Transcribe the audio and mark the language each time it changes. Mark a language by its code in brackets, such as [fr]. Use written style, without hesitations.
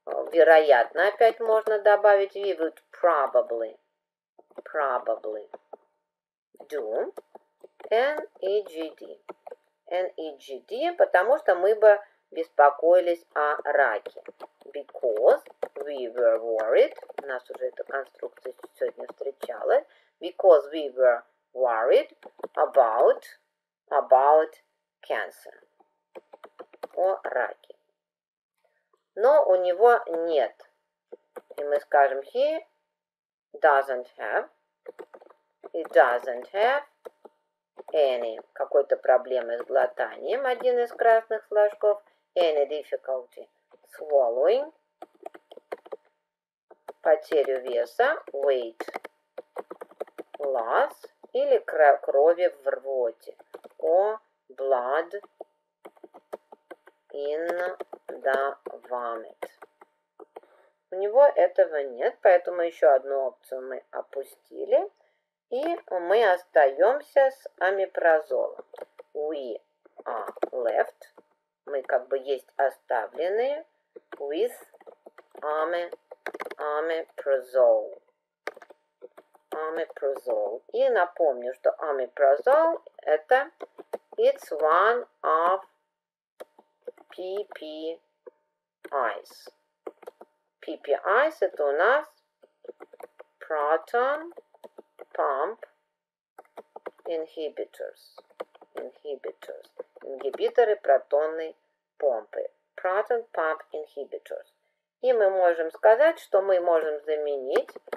[ru] вероятно, опять можно добавить [en] we would probably, probably do N-E-G-D. [ru] N-E-G-D, потому что мы бы беспокоились о раке. [en] Because we were worried. [ru] У нас уже эта конструкция сегодня встречалась. [en] Because we were worried about cancer. [ru] О раке. Но у него нет. И мы скажем [en] he doesn't have. He doesn't have any. [ru] Какой-то проблемы с глотанием. Один из красных флажков. [en] Any difficulty swallowing. [ru] Потерю веса. [en] Weight loss. [ru] Или крови в рвоте. [en] Or blood in the vomit. [ru] У него этого нет, поэтому еще одну опцию мы опустили. И мы остаемся с омепразолом. [en] We are left. [ru] Мы как бы есть оставленные. With омепразол. Омепразол. И напомню, что омепразол это [en] it's one of PPIs. PPIs [ru] это у нас [en] proton pump inhibitors. Inhibitors. [ru] Ингибиторы протонной помпы. [en] Proton pump inhibitors. [ru] И мы можем сказать, что мы можем заменить.